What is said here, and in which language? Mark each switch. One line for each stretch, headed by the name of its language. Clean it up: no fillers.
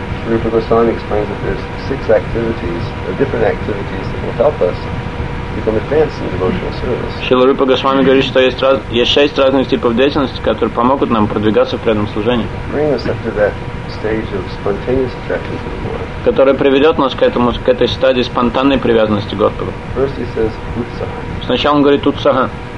English: Rupa Goswami explains that there's six activities or different activities that will help us become advanced in devotional service.
Russian: Шрила Рупа Госвами говорит, что есть шесть разных типов деятельности, которые помогут нам продвигаться в преданном служении.
English: Bring us up to that stage of spontaneous attraction to the Lord.
Russian: Которая приведет нас к этой стадии спонтанной привязанности к Господу.
English: First he says Utsaha.
Russian: Сначала он говорит «Утсага».